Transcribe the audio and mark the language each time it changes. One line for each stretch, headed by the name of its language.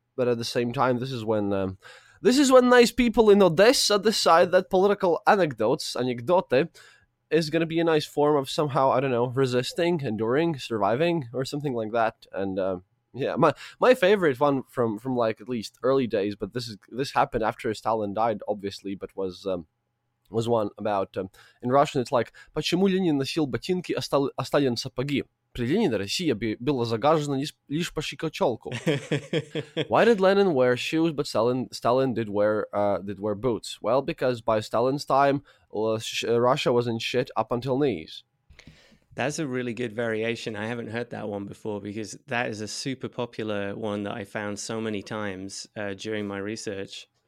English: But at the same time, this is when nice people in Odessa decide that political anecdotes, anecdote, is going to be a nice form of somehow, I don't know, resisting, enduring, surviving, or something like that. And yeah, my favorite one from like at least early days, but this happened after Stalin died, obviously, but was one about, in Russian, it's like,
Russian: почему Ленин носил ботинки, а Сталин сапоги? При Ленине Россия была загажена лишь по щекочёлку.
English: Why did Lenin wear shoes, but Stalin did wear boots? Well, because by Stalin's time, Russia was in shit up until knees. That's a really good variation. I haven't heard that one before, because that is a super popular one that I found so many times during my research.